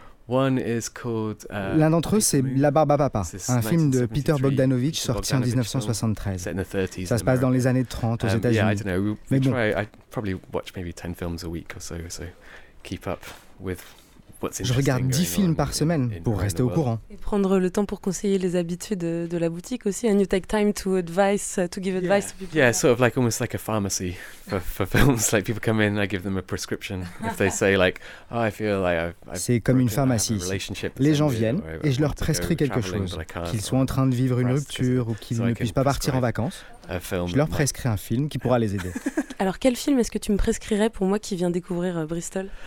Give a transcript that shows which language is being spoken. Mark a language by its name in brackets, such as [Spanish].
[French] L'un d'entre eux, c'est La Barbe à Papa, un film de Peter Bogdanovich sorti en 1973. Ça se passe dans les années 30 aux États-Unis. Mais bon. Je regarde 10 films par semaine pour rester au courant. Et prendre le temps pour conseiller les habitués de la boutique aussi. [English] And you take time to advise, to give advice to people. Yeah, sort of like almost like a pharmacy for films. Like people come in, I give them a prescription. If they say like, oh, I feel like I've [French] C'est comme une pharmacie. Les gens viennent et je leur prescris quelque chose. Qu'ils soient en train de vivre une rupture ou qu'ils ne puissent pas partir en vacances. Je leur prescris un film qui pourra les aider. Alors, quel film est-ce que tu me prescrirais pour moi qui viens découvrir Bristol?